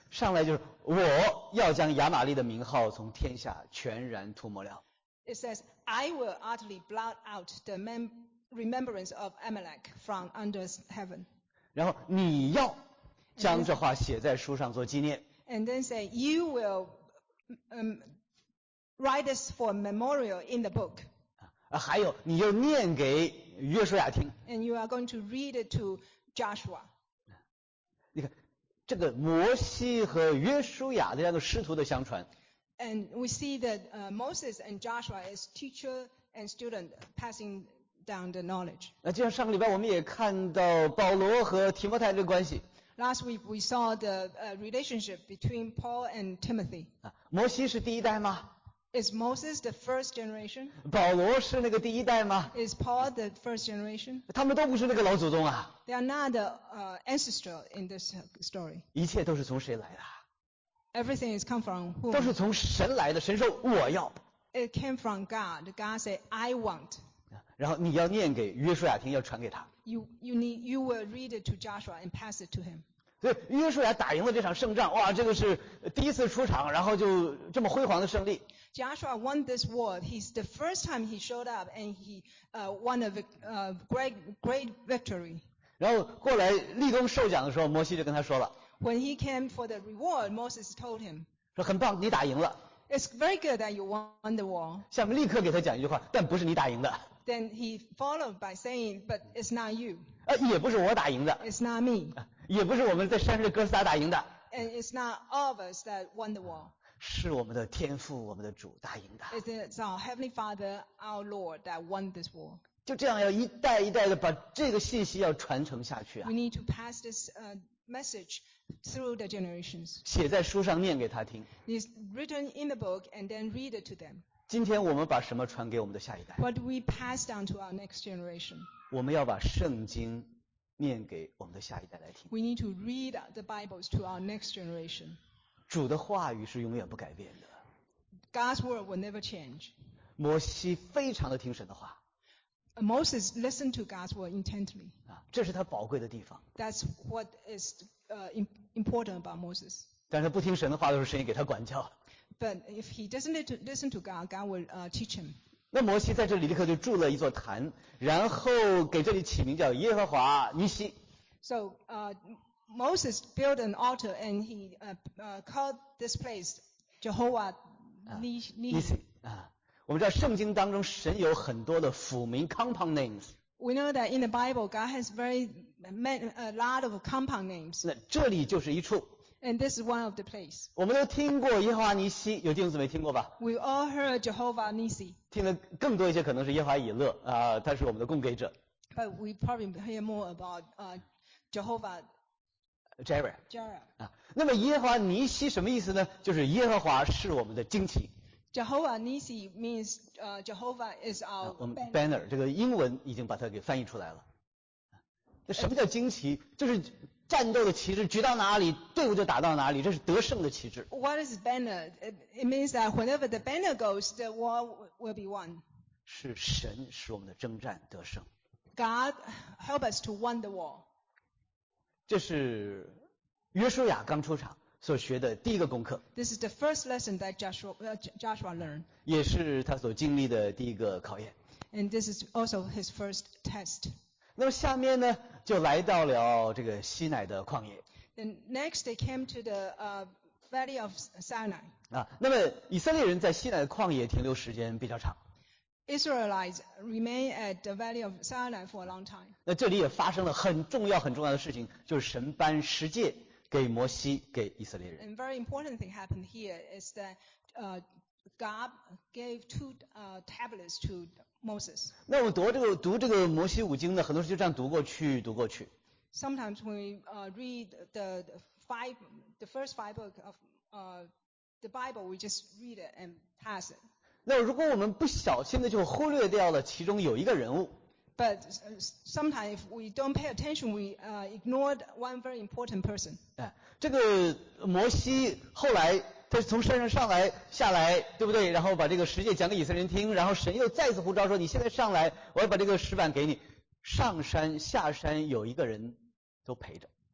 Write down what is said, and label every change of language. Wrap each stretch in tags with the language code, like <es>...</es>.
<zh>上来就是我要将亚玛利的名号从天下全然涂抹了。</zh> <en>It says, I will utterly blot out the remembrance of Amalek from under heaven.</en> <zh>然后你要将这话写在书上做纪念。</zh> <en>And then say, you will write this for a memorial in the book.</en> <zh>还有你要念给约书亚听。</zh> <en>And you are going to read it to Joshua.</en> <zh>你看这个摩西和约书亚这样的师徒的相传。</zh> <en>And we see that Moses and Joshua is teacher and student passing down the knowledge.</en> <zh>那就像上个礼拜我们也看到保罗和提摩太这个关系。</zh> <en>Last week we saw the relationship between Paul and Timothy.</en> <zh>摩西是第一代吗？</zh> <en>Is Moses the first generation?</en> <zh>保罗是那个第一代吗？</zh> <en>Is Paul the first generation?</en> <zh>他们都不是那个老祖宗啊。</zh> <en>They are not the ancestor in this story.</en> <zh>一切都是从谁来的？</zh> <en>Everything is come from whom?</en> <zh>都是从神来的，神说我要。</zh> <en>It came from God. God said, I want.</en> <zh>然后你要念给约书亚听，要传给他。</zh> <en>You will read it to Joshua and pass it to him.</en> <zh>所以约书亚打赢了这场胜仗，哇，这个是第一次出场，然后就这么辉煌的胜利。</zh> <en>Joshua won this war. He's the first time he showed up and he won a great victory.</en> <zh>然后过来立功受奖的时候，摩西就跟他说了。</zh> <en>When he came for the reward, Moses told him.</en> <zh>说很棒，你打赢了。</zh> <en>It's very good that you won the war.</en> <zh>下面立刻给他讲一句话，但不是你打赢的。</zh> <en>Then he followed by saying, but it's not you.</en> <zh>也不是我打赢的。</zh> <en>It's not me.</en> <zh>也不是我们在山上哥斯达打赢的。</zh> <en>And it's not all of us that won the war.</en> <zh>是我们的天父，我们的主打赢的。</zh> <en>It's our Heavenly Father, our Lord, that won this war.</en> <zh>就这样要一代一代的把这个信息要传承下去啊。</zh> <en>We need to pass this message through the generations.</en> <zh>写在书上念给他听。</zh> <en>It's written in the book and then read it to them.</en> <zh>今天我们把什么传给我们的下一代？</zh> <en>What do we pass down to our next generation?</en> <zh>我们要把圣经念给我们的下一代来听。</zh> <en>We need to read the Bibles to our next generation.</en> <zh>主的话语是永远不改变的。</zh> <en>God's word will never change.</en> <zh>摩西非常的听神的话。</zh> <en>Moses listened to God's word intently.</en> <zh>这是他宝贵的地方。</zh> <en>That's what is important about Moses.</en> <zh>但是他不听神的话的时候，神也给他管教。</zh> <en>But if he doesn't listen to God, God will teach him.</en> <zh>那摩西在这里立刻就筑了一座坛，然后给这里起名叫耶和华尼西。</zh> <en>So, Moses built an altar and he called this place Jehovah Nisi.</en> <zh>我们知道圣经当中神有很多的辅名</zh> <en>compound names. We know that in the Bible God has very many, a lot of compound names.</en> <zh>那这里就是一处。</zh> <en>And this is one of the places.</en> <zh>我们都听过耶和华尼西，有弟兄姊妹听过吧？</zh> <en>We all heard Jehovah Nisi.</en> <zh>听得更多一些可能是耶和华以勒，他是我们的供给者。</zh> <en>But we probably hear more about Jehovah. Jireh.</en> <zh>那么耶和华尼西什么意思呢？就是耶和华是我们的旌旗。</zh> <en>Jehovah Nisi means Jehovah is our banner.</en> <zh>Banner, 这个英文已经把它给翻译出来了。这什么叫旌旗？就是战斗的旗帜，举到哪里，队伍就打到哪里，这是得胜的旗帜。</zh> <en>What is banner? It means that whenever the banner goes, the war will be won.</en> <zh>是神使我们的征战得胜。</zh> <en>God help us to win the war.</en> <zh>这是约书亚刚出场所学的第一个功课。</zh> <en>This is the first lesson that Joshua learned.</en> <zh>也是他所经历的第一个考验。</zh> <en>And this is also his first test.</en> <zh>那么下面呢，就来到了这个西乃的旷野。</zh> <en>Then next they came to the valley of Sinai.</en> <zh>啊，那么以色列人在西乃的旷野停留时间比较长。</zh> <en>Israelites remain at the valley of Sinai for a long time.</en> <zh>那这里也发生了很重要很重要的事情，就是神颁十诫给摩西给以色列人。</zh> <en>And very important thing happened here is that God gave two tablets to Moses.</en> <zh>那我读这个摩西五经呢，很多时候就这样读过去读过去。</zh> <en>Sometimes we read the first five book of the Bible, we just read it and pass it.</en> <zh>那如果我们不小心的就忽略掉了其中有一个人物。</zh> <en>But sometimes if we don't pay attention, we ignored one very important person.</en> <zh>这个摩西后来他是从山上上来下来，对不对？然后把这个十诫讲给以色列人听，然后神又再次呼召说：“你现在上来，我要把这个石板给你。” 上山下山有一个人都陪着。</zh>